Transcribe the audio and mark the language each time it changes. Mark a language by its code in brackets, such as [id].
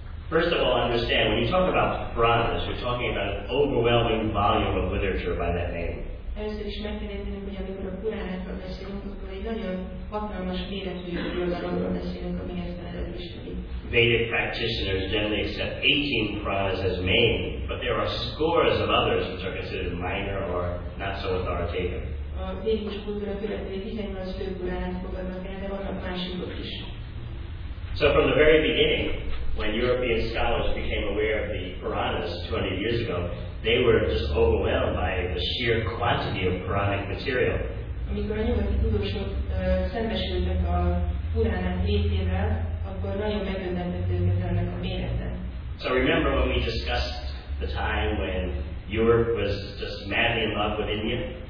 [en] First of all, understand, when you talk about Puranas, you're talking about an overwhelming volume of literature by that name. [hu] Először is meg kell érteni, hogy amikor a Puránákról beszélünk, akkor egy nagyon hatalmas méretű irodalomról beszélünk, ami ezt a nevet ismeri. [en] Vedic practitioners generally accept 18 Puranas as main, but there are scores of others which are considered minor or not so authoritative. [hu] A Vedic kultúra követői 18 fő Puránát fogadnak el, de vannak másikok is. [en] So from the very beginning, when European scholars became aware of the Puranas 200 years ago, they were just overwhelmed by the sheer quantity of Puranic material. [hu] Amikor a nyugati tudósok szembesültek a Puranák létével, akkor nagyon megdöbbentett őket ennek a mérete. [en] So remember when we discussed the time when Europe was just madly in love with India?